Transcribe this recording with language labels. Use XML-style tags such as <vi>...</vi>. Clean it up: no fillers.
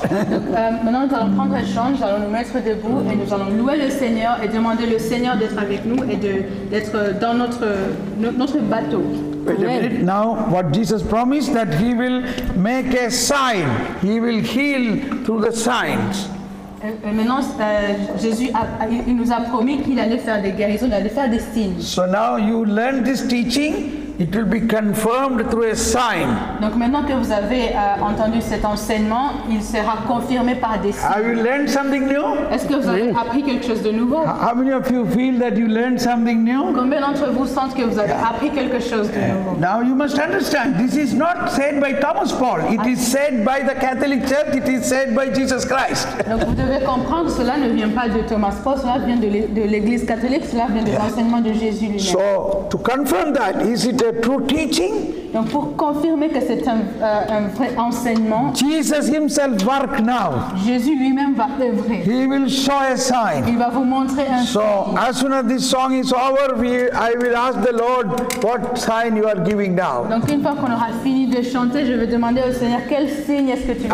<fr>Maintenant, nous allons prendre un chant, nous allons nous mettre debout et nous allons louer le Seigneur et demander le Seigneur d'être avec nous et d'être dans notre bateau.</fr> <en>Wait a minute. Now, what Jesus promised, that he will make a sign, he will heal through the signs.</en> <fr>Maintenant, Jésus il nous a promis qu'il allait faire des guérisons, il allait faire des signes.</fr> <en>So now you learn this teaching, it will be confirmed through a sign.</en> <fr>Donc maintenant que vous avez entendu cet enseignement, il sera confirmé par des signes.</fr> <en>Have you learned something new?</en> <fr>Est-ce que vous avez appris quelque chose de nouveau?</fr> <en>How many of you feel that you learned something new?</en> <fr>Combien d'entre vous sentent que vous avez appris quelque chose de nouveau?</fr> <en>Now you must understand, this is not said by Thomas Paul. It is said by the Catholic Church. It is said by Jesus Christ.</en> <fr>Donc vous devez comprendre, cela ne vient pas de Thomas Paul. Cela vient de l'Église catholique. Cela vient de l'enseignement de Jésus lui-même.</fr> <en>So to confirm that, is it a true teaching?</en> <fr>Donc pour confirmer que c'est un vrai enseignement,</fr> <en>Jesus himself work now.</en> <fr>Jésus lui-même va œuvrer.</fr> <en>He will show a sign.</en> <fr>Il va vous montrer un so signe.</fr> <en>As soon as this song is over, I will ask the Lord what sign you are giving now.</en> <fr>Donc une fois qu'on aura fini de chanter, je vais demander au Seigneur quel signe est-ce que tu veux.</fr>